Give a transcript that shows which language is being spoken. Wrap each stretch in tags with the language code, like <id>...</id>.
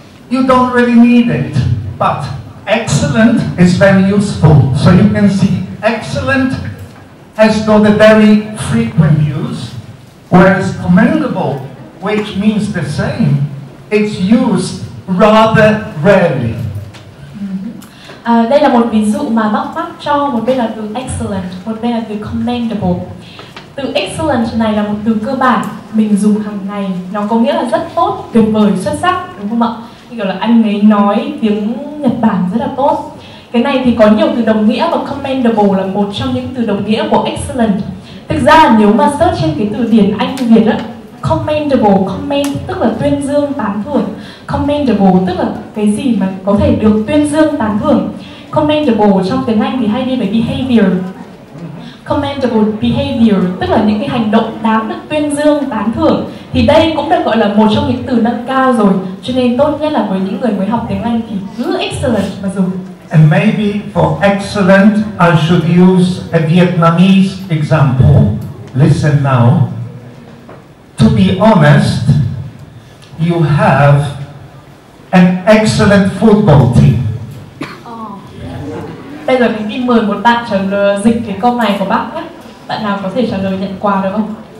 <en>You don't really need it, but excellent is very useful. So you can see excellent has got a very frequent use, whereas commendable, which means the same, it's used rather rarely.</en> <vi>Đây là một ví dụ mà Mark mắc cho. Một bên là từ excellent, một bên là từ commendable. Từ excellent này là một từ cơ bản mình dùng hàng ngày, nó có nghĩa là rất tốt, tuyệt vời, xuất sắc, đúng không ạ? Như kiểu là anh ấy nói tiếng Nhật Bản rất là tốt. Cái này thì có nhiều từ đồng nghĩa và commendable là một trong những từ đồng nghĩa của excellent. Thực ra nếu mà search trên cái từ điển Anh Việt á, commendable, comment tức là tuyên dương, tán thưởng. Commendable tức là cái gì mà có thể được tuyên dương, tán thưởng. Commendable trong tiếng Anh thì hay đi về behavior. Commendable behavior tức là những cái hành động đáng được tuyên dương, tán thưởng. Thì đây cũng được gọi là một trong những từ nâng cao rồi. Cho nên tốt nhất là với những người mới học tiếng Anh thì cứ excellent mà dùng.</vi> <en>And maybe for excellent, I should use a Vietnamese example. Listen now. To be honest, you have an excellent football team.</en> <vi>Bây giờ mình đi mời một bạn trả lời dịch cái câu này của bác nhé. Bạn nào có thể trả lời nhận quà được không?</vi>